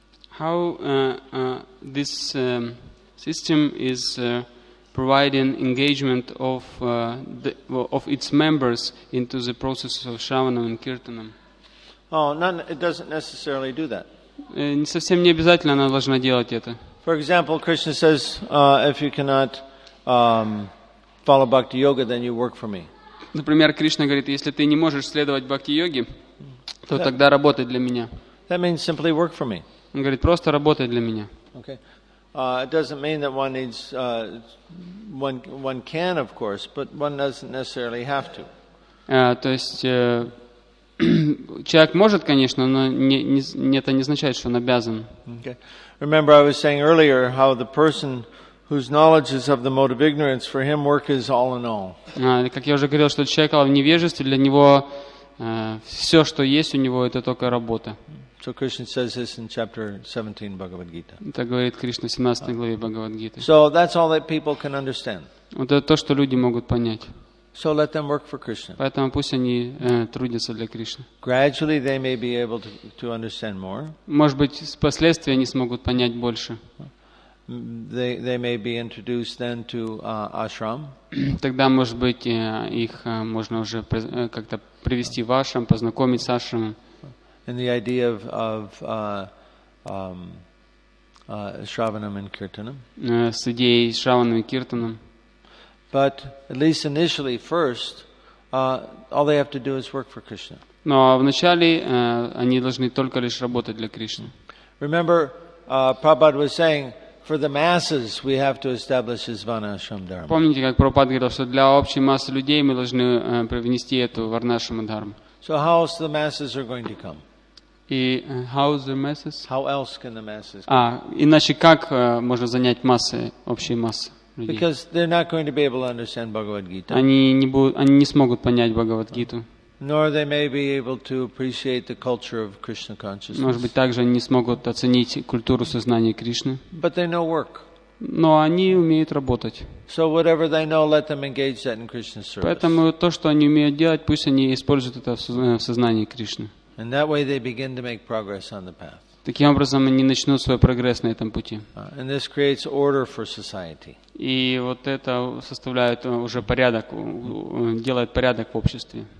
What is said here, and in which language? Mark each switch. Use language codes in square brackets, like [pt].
[en] How this system is providing engagement of its members into the process of Shravanam and Kirtanam? Oh, it doesn't necessarily do that. [ru] Не совсем не обязательно она должна делать это. [en] For example, Krishna says, if you cannot follow Bhakti Yoga, then you work for me. [ru] Например, Кришна говорит, если ты не можешь следовать Бхакти Йоге, то тогда работай для меня. [en] That means simply work for me. [ru] Он говорит, просто работай для меня. [en] Okay. It doesn't mean that one needs one can, of course, but one doesn't necessarily have to. [ru] То есть человек может, конечно, но это не означает, что он обязан. [en] Okay. Remember, I was saying earlier how the person whose knowledge is of the mode of ignorance, for him work is all in all. [ru] Как я уже говорил, что человек в невежестве, для него все, что есть у него, это только работа. [en] So Krishna says this in chapter 17 Bhagavad Gita. [ru] Так говорит Кришна в 17 главе Бхагавад Гиты. [en] So that's all that people can understand. [ru] Вот это то, что люди могут понять. [en] So let them work for Krishna. [ru] Поэтому пусть они трудятся для Кришны. [en] Gradually they may be able to understand more. [ru] Может быть, впоследствии они смогут понять больше. [en] They may be introduced then to ashram. [ru] Тогда, может быть, их можно уже как-то привести в ашрам, познакомить с ашрамом. [en] And the idea of Shravanam and Kirtanam. [ru] С идеей Shravanam и Kirtanam. [en] But at least initially, first, all they have to do is work for Krishna. [ru] Но вначале они должны только лишь работать для Кришны. [en] Remember, Prabhupada was saying, for the masses, we have to establish Varnashram Dharma. [ru] Помните, как Прабхупада говорил, что для общей массы людей мы должны привнести эту Варнашрам Дхарму. [en] So how else the masses are going to come? И how the masses? How else can the masses? [ru] Иначе как можно занять массы, общие массы людей? [en] Because they're not going to be able to understand Bhagavad Gita. [ru] Они не смогут понять Бхагавад Гиту. [en] Nor they may be able to appreciate the culture of Krishna consciousness. [ru] Может быть, также они не смогут оценить культуру сознания Кришны. [en] But they know work. [ru] Но они умеют работать. [en] So whatever they know, let them engage that in Krishna's service. [ru] Поэтому то, что они умеют делать, пусть они используют это в сознании Кришны. [en] And that way they begin to make progress on the path. [ru] Таким образом они начнут свой прогресс на этом пути. [en] And this creates order for society. [ru] И вот это составляет уже порядок, делает порядок в обществе.